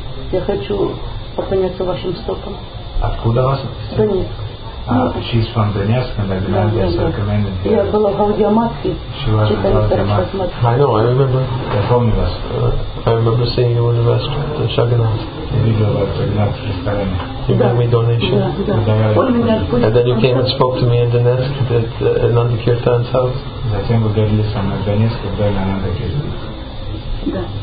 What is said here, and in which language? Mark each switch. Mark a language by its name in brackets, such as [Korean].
[Russian] Я хочу поклоняться вашим стопам. Откуда вас? Донецк. [English] She's from Donetsk and I recommended her. [Russian] Я была в Гаудиаматхе. [English] She was in Гаудиаматхе. I know, I remember. I told you that. I remember seeing you in the restaurant at Shaganath. You did go to Shaganath restaurant. You gave me donation. And then you came and spoke to me in Donetsk at Ananda Kirtan's house. [Russian] Затем вы говорили со мной в Донецке, в доме Ананда Кирти.